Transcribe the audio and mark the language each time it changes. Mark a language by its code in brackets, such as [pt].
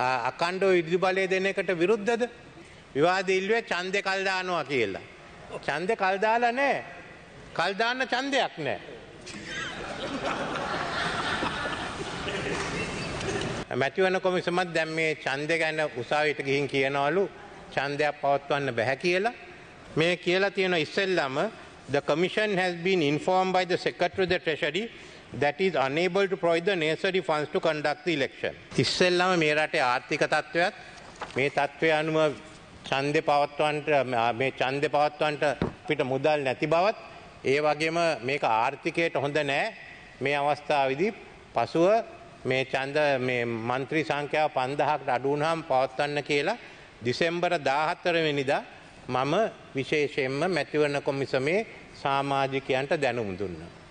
[si] අඛණ්ඩව විදුලි බලය දෙන එකට විරුද්ධද? විවාදෙ ඉල්ලුවේ ඡන්දේ කල් දානවා කියලා. ඡන්දේ කල් දාලා නැහැ. කල් දාන්න ඡන්දයක් නැහැ. මැතිවරණ කොමිසමත් දැන් මේ ඡන්දය ගැන උසාවියට ගිහින් කියනවලු ඡන්දයක් පවත්වන්න බෑ කියලා. මේ කියලා තියෙන ඉස්සෙල්ලම [en] the commission has been informed by the secretary of the treasury that is unable to provide the necessary funds to conduct the election. [si] ඉස්සෙල්ලම මේ රටේ ආර්ථික තත්ත්වයත් මේ තත්ත්වයේ අනුම ඡන්දේ පවත්වන්නට මේ ඡන්දේ පවත්වන්නට පිට මුදල් නැති බවත් ඒ වගේම මේක ආර්ථිකයට හොඳ නෑ මේ අවස්ථාවේදී පසුව මේ ඡන්ද මේ മന്ത്രി සංඛ්‍යාව 5000කට අඩු වුණාම පවත්වන්න කියලා දෙසැම්බර් 14 වෙනිදා මම විශේෂයෙන්ම මැතිවරණ කොමිසමේ සමාජිකයන්ට දැනුම් දුන්නා.